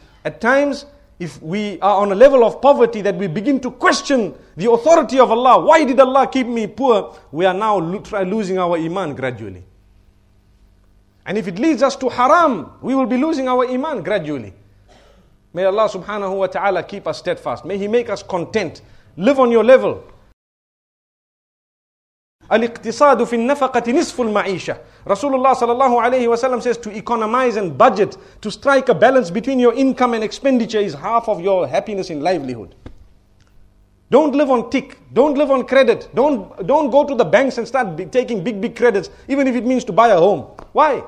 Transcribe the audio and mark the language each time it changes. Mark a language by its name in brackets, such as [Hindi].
[English] At times, if we are on a level of poverty that we begin to question the authority of Allah, why did Allah keep me poor? We are now losing our iman gradually. And if it leads us to haram, we will be losing our iman gradually. May Allah subhanahu wa ta'ala keep us steadfast. May He make us content. Live on your level. [Arabic] الاقتصاد في النفقة نصف المعيشة. [English] Rasulullah sallallahu alayhi wa sallam says to economize and budget, to strike a balance between your income and expenditure, is half of your happiness in livelihood. Don't live on tick. Don't live on credit. Don't go to the banks and start taking big credits, even if it means to buy a home. Why?